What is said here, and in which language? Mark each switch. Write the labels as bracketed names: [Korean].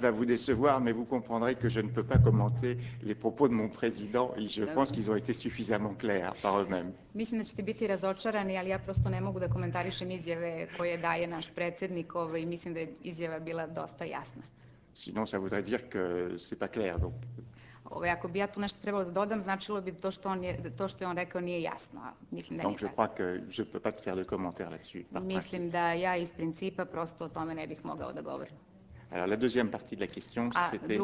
[French] va vous décevoir, mais vous comprendrez que je ne peux pas commenter les propos de mon président et je pense qu'ils ont été suffisamment clairs par eux-mêmes. [Serbian] Mislim da ćete biti razočarani, ali ja prosto ne mogu da komentarišem izjave koje daje naš predsjednik, i mislim da je izjava bila dosta jasna. [French] Sinon, ça voudrait dire que c'est pas clair, donc. [Serbian] Ove, ako bi ja tu nešto trebalo da dodam, značilo bi to što on je, to što je on rekao nije jasno. Mislim da [French] je pa que je peux pas te faire de commentaire là-dessus. [Serbian] Mislim da ja iz principa prosto o tome ne bih mogao da govorim. [French] Alors la deuxième partie de la question, c'était.